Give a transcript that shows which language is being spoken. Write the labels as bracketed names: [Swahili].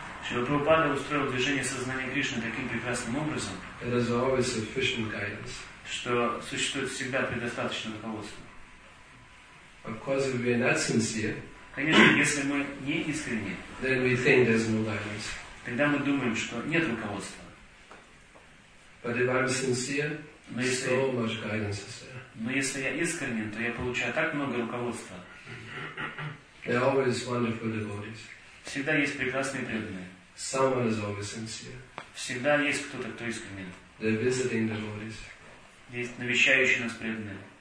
[Russian] Шрила Прабхупада устроил движение сознания Кришны таким прекрасным образом. [English] It is always sufficient guidance. [Russian] Что существует всегда предостаточное руководство. [English] Of course, if we're not sincere, [Russian] конечно, если мы не искренни, [English] then we think there's no guidance. [Russian] Тогда мы думаем, что нет руководства. [English] But if I'm sincere, [Russian] но если, [English] so much guidance is there. [Russian] Но если я искренен, то я получаю так много руководства. [English] There are always wonderful devotees. [Russian] Всегда есть прекрасные преданные. [English] Someone is always sincere. [Russian] Всегда есть кто-то, кто искренен. [English] They're visiting devotees. [Russian] Здесь навещающие нас преданные.